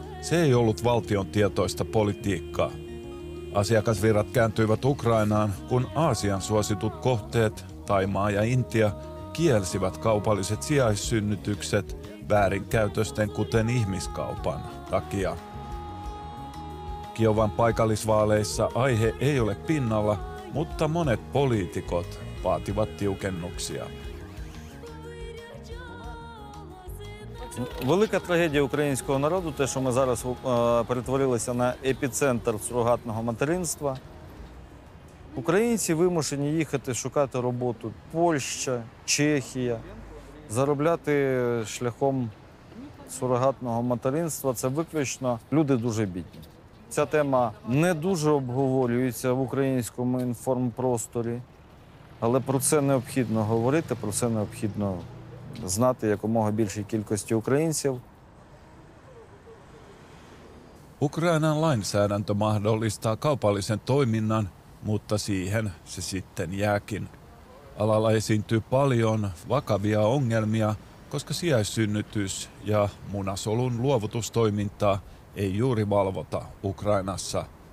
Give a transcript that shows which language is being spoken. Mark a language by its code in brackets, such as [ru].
[fi] Se ei ollut valtion tietoista politiikkaa. Asiakasvirrat kääntyivät Ukrainaan, kun Aasian suositut kohteet, Thaimaa ja Intia, kielsivät kaupalliset sijaissynnytykset väärinkäytösten kuten ihmiskaupan takia. Kiovan paikallisvaaleissa aihe ei ole pinnalla, mutta monet poliitikot vaativat tiukennuksia. [uk] Велика трагедія українського народу, те, що ми зараз перетворилися на епіцентр сурогатного материнства. Українці вимушені їхати шукати роботу в Польщі, Чехія, заробляти шляхом сурогатного материнства. Це виключно люди дуже бідні. Ця тема не дуже обговорюється в українському інформпросторі, але про це необхідно говорити, про це необхідно знати якомога більшій кількості українців. [fi] Ukrainan lainsäädäntö mahdollistaa kaupallisen toiminnan, mutta siihen se sitten jääkin. Alalla esiintyy paljon vakavia ongelmia, koska sijaissynnytys ja munasolun luovutustoimintaa ei juuri valvota Ukrainassa.